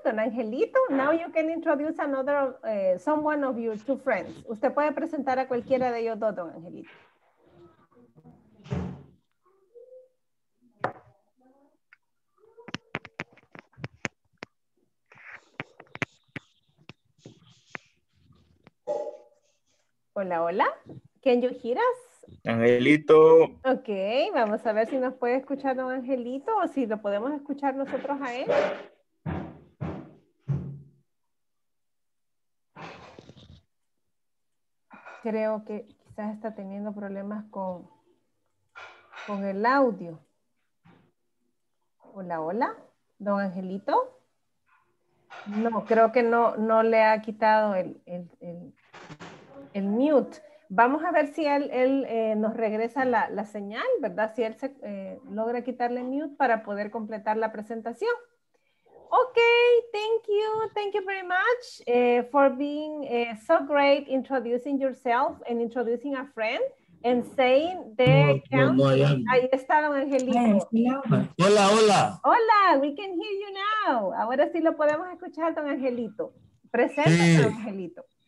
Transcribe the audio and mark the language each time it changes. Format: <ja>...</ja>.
<en>Don Angelito, now you can introduce another, someone of your two friends.</en> <es>Usted puede presentar a cualquiera de ellos dos, Don Angelito. Hola, hola.</es> <en>Can you hear us? Angelito.</en> <es>Ok, vamos a ver si nos puede escuchar Don Angelito o si lo podemos escuchar nosotros a él. Creo que quizás está teniendo problemas con el audio. Hola, hola, Don Angelito. No, creo que no le ha quitado el mute. Vamos a ver si él nos regresa la señal, ¿verdad? Si él se logra quitarle mute para poder completar la presentación.</es> <en>Ok, thank you very much for being so great introducing yourself and introducing a friend and saying the</en> <es>ahí está Don Angelito. Hola, hola. Hola,</es> <en>we can hear you now.</en> <es>Ahora sí lo podemos escuchar, Don Angelito. Presenta, sí. Don Angelito.</es>